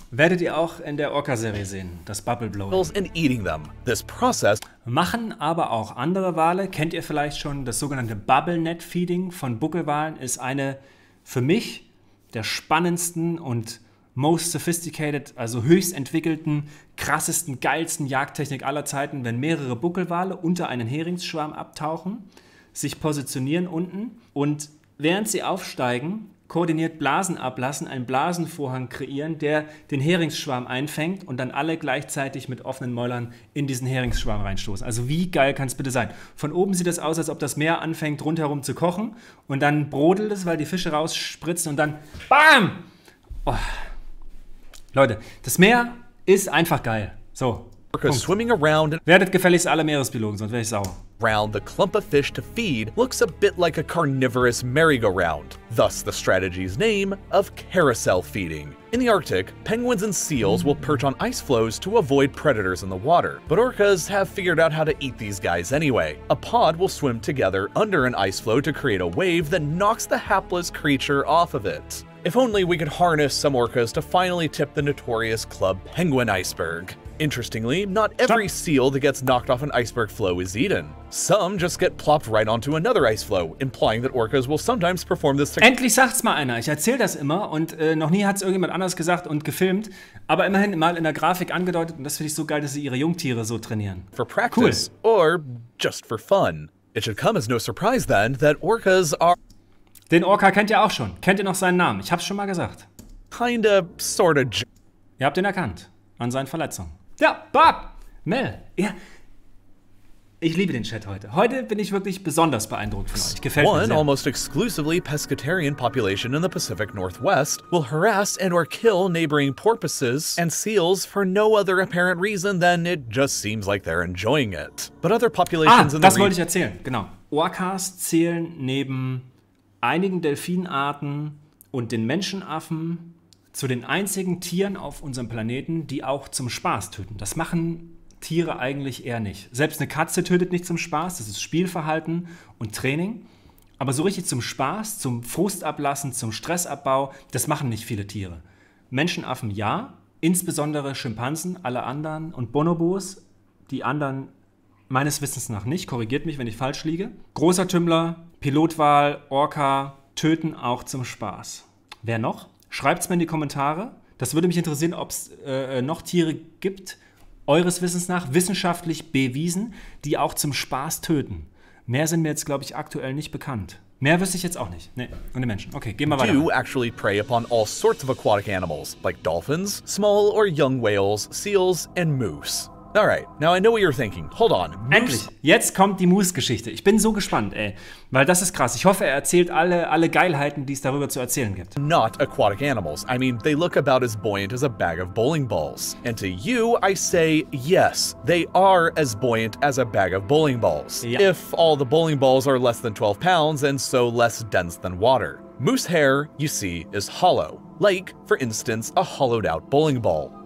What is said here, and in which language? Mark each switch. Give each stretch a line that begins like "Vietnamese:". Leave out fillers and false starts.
German: Werdet ihr auch in der Orca-Serie sehen, das Bubble Blowing.
English: And eating them. This process
German: machen aber auch andere Wale. Kennt ihr vielleicht schon das sogenannte Bubble Net Feeding von Buckelwalen? Ist eine für mich der spannendsten und
English: most sophisticated,
German: also höchst entwickelten, krassesten, geilsten Jagdtechnik aller Zeiten, wenn mehrere Buckelwale unter einen Heringsschwarm abtauchen, sich positionieren unten und während sie aufsteigen, koordiniert Blasen ablassen, einen Blasenvorhang kreieren, der den Heringsschwarm einfängt und dann alle gleichzeitig mit offenen Mäulern in diesen Heringsschwarm reinstoßen. Also wie geil kann es bitte sein? Von oben sieht es aus, als ob das Meer anfängt, rundherum zu kochen und dann brodelt es, weil die Fische rausspritzen und dann BAM! Oh. Leute, das Meer ist einfach geil. So,
English: swimming around.
German: Werdet gefälligst alle Meeresbiologen, sonst wäre ich sauer.
English: Round the clump of fish to feed looks a bit like a carnivorous merry-go-round, thus the strategy's name of carousel feeding. In the Arctic, penguins and seals will perch on ice floes to avoid predators in the water, but orcas have figured out how to eat these guys anyway. A pod will swim together under an ice floe to create a wave that knocks the hapless creature off of it. If only we could harness some orcas to finally tip the notorious Club Penguin iceberg. Interestingly, not every seal that gets knocked off an iceberg floe is eaten. Some just get plopped right onto another ice floe, implying that orcas will sometimes perform this.
German: Endlich sagt's mal einer. Ich erzähl das immer und noch nie hat's irgendjemand anders gesagt und gefilmt, aber immerhin mal in der Grafik angedeutet und das finde ich so geil, dass sie ihre Jungtiere so trainieren.
English: For practice, cool. Or just for fun. It should come as no surprise then that orcas are.
German: Den Orca kennt ihr auch schon. Kennt ihr noch seinen Namen? Ich hab's schon mal gesagt.
English: Kinda, sorta.
German: Ihr habt ihn erkannt. An seinen Verletzungen. Ja, Bob, Mel, ja. Ich liebe den Chat heute. Heute bin ich wirklich besonders beeindruckt von euch. Gefällt mir sehr.
English: One almost exclusively pescatarian population in the Pacific Northwest will harass and or kill neighboring porpoises and seals for no other apparent reason than it just seems like they're enjoying it. But other populations in the region.
German: Ah, das wollte ich erzählen. Genau. Orcas zählen neben einigen Delfinarten und den Menschenaffen zu den einzigen Tieren auf unserem Planeten, die auch zum Spaß töten. Das machen Tiere eigentlich eher nicht. Selbst eine Katze tötet nicht zum Spaß, das ist Spielverhalten und Training. Aber so richtig zum Spaß, zum Frustablassen, zum Stressabbau, das machen nicht viele Tiere. Menschenaffen ja, insbesondere Schimpansen, alle anderen und Bonobos, die anderen meines Wissens nach nicht. Korrigiert mich, wenn ich falsch liege. Großer Tümmler, Pilotwal, Orca töten auch zum Spaß. Wer noch? Schreibt's mir in die Kommentare. Das würde mich interessieren, ob es noch Tiere gibt, eures Wissens nach, wissenschaftlich bewiesen, die auch zum Spaß töten. Mehr sind mir jetzt, glaube ich, aktuell nicht bekannt. Mehr wüsste ich jetzt auch nicht. Nee, und die Menschen. Okay, gehen wir weiter.
English: Do actually prey upon all sorts of aquatic animals, like dolphins, small or young whales, seals and moose. Alright, now I know what you're thinking. Hold on.
German: Endlich, jetzt kommt die Moose-Geschichte. Ich bin so gespannt, ey. Weil das ist krass. Ich hoffe, er erzählt alle Geilheiten, die es darüber zu erzählen gibt.
English: Not aquatic animals. I mean, they look about as buoyant as a bag of bowling balls. And to you, I say, yes, they are as buoyant as a bag of bowling balls.
German: Ja.
English: If all the bowling balls are less than 12 pounds and so less dense than water. Moose hair, you see, is hollow. Like, for instance, a hollowed-out bowling ball.